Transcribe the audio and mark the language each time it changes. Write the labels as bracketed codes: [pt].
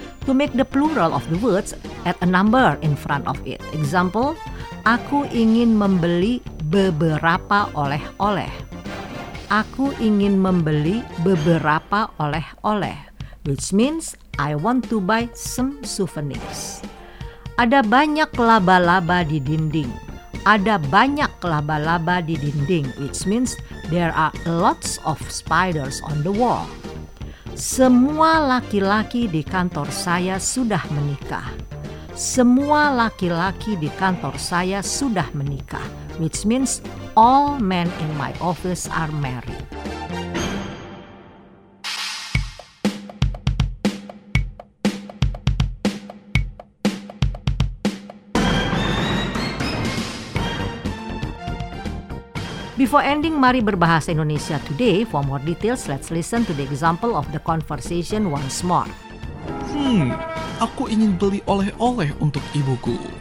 [en] to make the plural of the words, add a number in front of it. [id] Example, aku ingin membeli beberapa oleh-oleh. Aku ingin membeli beberapa oleh-oleh, [en] which means I want to buy some souvenirs. [id] Ada banyak laba-laba di dinding. Ada banyak laba-laba di dinding, [en] which means there are lots of spiders on the wall. [id] Semua laki-laki di kantor saya sudah menikah. Semua laki-laki di kantor saya sudah menikah, [en] which means all men in my office are married. Before ending, mari berbahasa Indonesia today. For more details, let's listen to the example of the conversation once more. [id] Aku ingin beli oleh-oleh untuk ibuku.